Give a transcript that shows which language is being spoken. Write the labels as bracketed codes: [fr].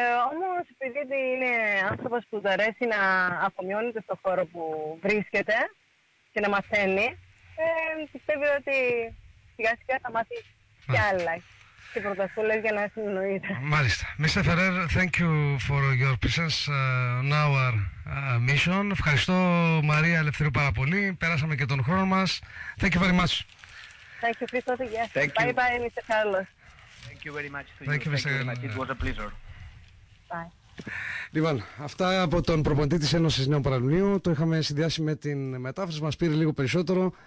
[el] Όμως επειδή είναι άνθρωπος που του αρέσει να αφομοιώνεται στον χώρο που βρίσκεται, και να μαθαίνει, πιστεύει ότι σιγά σιγά θα μάθει κι άλλα. Και πρωτοσούλες για να συνεννοείται. Μάλιστα. Mr. [en] Ferrer, thank you for your presence on our mission. [el] Ευχαριστώ, Μαρία Ελευθερίου, πάρα πολύ. Πέρασαμε και τον χρόνο μας. [en] Thank you very much. Thank you, Christos. Yes. Bye bye, Mr. Carlos. Thank you very much to thank you. You. Thank you, Mr. It was a pleasure. Bye. [el] Λοιπόν, αυτά από τον προπονητή της Ένωσης Νέων Παραλιμνίου. Το είχαμε συνδυάσει με την μετάφραση, μας πήρε λίγο περισσότερο.